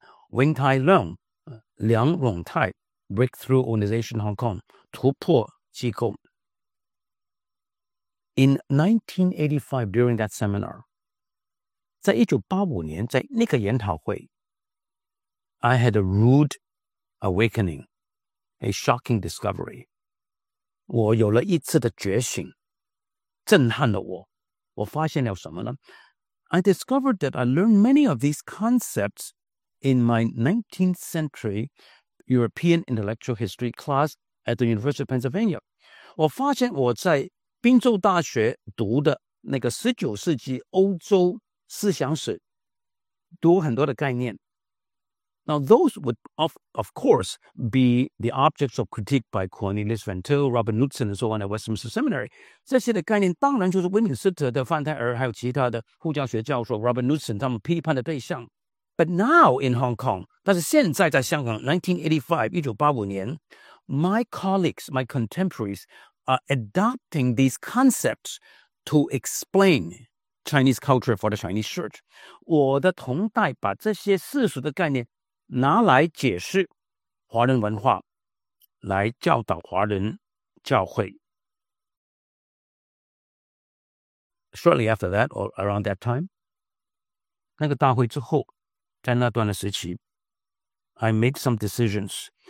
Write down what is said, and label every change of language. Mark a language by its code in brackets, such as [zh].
[en] Wing Tai Leung, 梁荣泰 Breakthrough Organization Hong Kong, 突破In 1985, during that seminar, [zh] 在1985年在那个研讨会 [en] I had a rude awakening, a shocking discovery. [zh] 我有了一次的觉醒震撼了我。我发现了什么呢 [en] I discovered that I learned many of these concepts in my 19th century European intellectual history class at the University of Pennsylvania. [zh] 我发现我在宾州大学读的那个19世纪欧洲思想史读很多的概念。 [en] Now those would of course be the objects of critique by Cornelius Van Til, Robert Knudsen and so on at Westminster Seminary. [zh] 这些的概念当然就是威敏斯特的范泰尔还有其他的护教学教授 Robert Knudsen 他们批判的对象。 [en] But now in Hong Kong, [zh] 但是现在在香港 [en] 1985 年My colleagues, my contemporaries, are adopting these concepts to explain Chinese culture for the Chinese church. [zh] 我的同代把这些世俗的概念拿来解释华人文化，来教导华人教会。 [en] Shortly after that, or around that time, [zh] 那个大会之后，在那段的时期， [en] I made some decisions.